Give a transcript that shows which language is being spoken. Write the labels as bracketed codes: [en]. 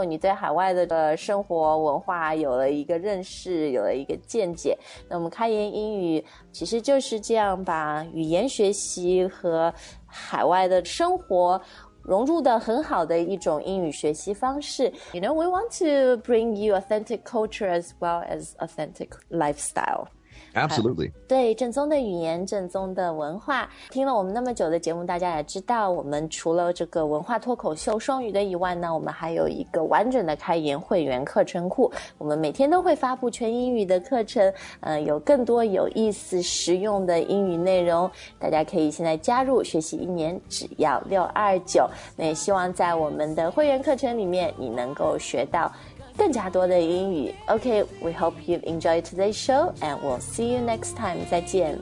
[zh] 你对海外的生活文化有了一个认识，有了一个见解。那我们开言英语其实就是这样，把语言学习和海外的生活融入的很好的一种英语学习方式。 [en] You know, we want to bring you authentic culture as well as authentic lifestyle. Absolutely. [zh] 对，正宗的语言，正宗的文化。听了我们那么久的节目，大家也知道，我们除了这个文化脱口秀双语的以外呢，我们还有一个完整的开言会员课程库。我们每天都会发布全英语的课程，有更多有意思实用的英语内容，大家可以现在加入，学习一年只要629。那也希望在我们的会员课程里面，你能够学到更加多的英语。 [en] OK, we hope you've enjoyed today's show, and we'll see you next time. [zh] 再见。